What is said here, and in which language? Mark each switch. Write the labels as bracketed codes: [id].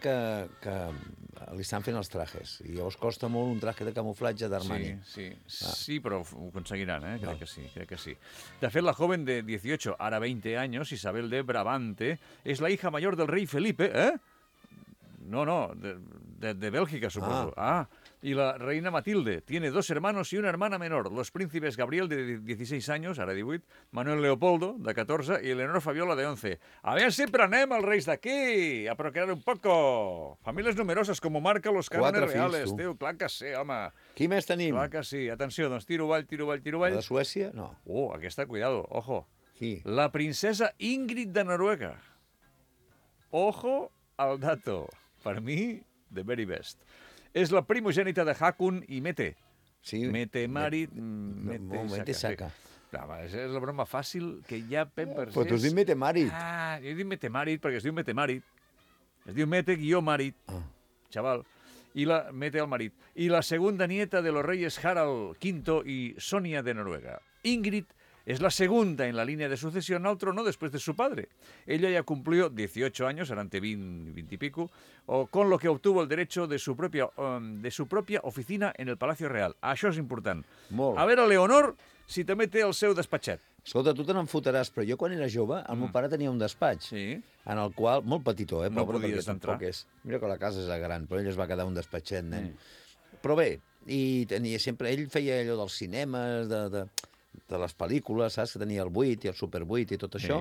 [ca] Que li estan fent els trajes. I llavors costa molt un traje de camuflatge d'Armani. Sí, però ho aconseguiran, eh? Crec que sí. De fet, [es] la joven de 18, [ca] ara 20 anys, Isabel de Brabante, [es] és la hija mayor del [ca] rei Felipe, eh? No, de Bèlgica, suposo. Ah. [es] Y la reina Matilde tiene dos hermanos y una hermana menor. Los príncipes Gabriel, de 16 años, ahora 18, Manuel Leopoldo, de 14, y Eleonor Fabiola, de 11. A ver, siempre [ca] anem al reis d'aquí, [es] a procrear un poco. Familias numerosas, como marca los cánones reales. [ca] Quatre fills, tu. Clar que sí, home. Qui més tenim? Clar que sí. Atenció, doncs tiro ball. La de Suècia, no. Aquesta, cuidado, ojo. Qui? La princesa Ingrid de Noruega. [es] Ojo al dato. [ca] Per mi, [en] the very best. [ca] És la primogènita de Hakun i Mete. Sí. Mete Marit... Mete Saka. Sí. Clar, és la broma fàcil que ja pep per... Però tu has dit Mete Marit. Ah, jo he dit Mete Marit perquè es diu Mete Marit. Es diu Mete guió Marit. Ah. Xaval. I la Mete al marit. [es] I la segunda nieta de los reyes Harald V i Sonia de Noruega. Ingrid es la segunda en la línea de sucesión al trono después de su padre. Ella ya cumplió 18 años, ante 20 y pico, con lo que obtuvo el derecho de su propia oficina en el Palacio Real. [ca] Això és important. Molt. A veure, Leonor, si també té el seu despatxet. Escolta, tu te n'enfotaràs, però jo quan era jove, el meu pare tenia un despatx, sí. En el qual, molt petitó, eh? No podies entrar. És. Mira que la casa és gran, però ell es va quedar un despatxet, nen. Però bé, i tenia sempre... Ell feia allò dels cinemes, de les pel·lícules, saps? Que tenia el 8 i el Super 8 i tot això.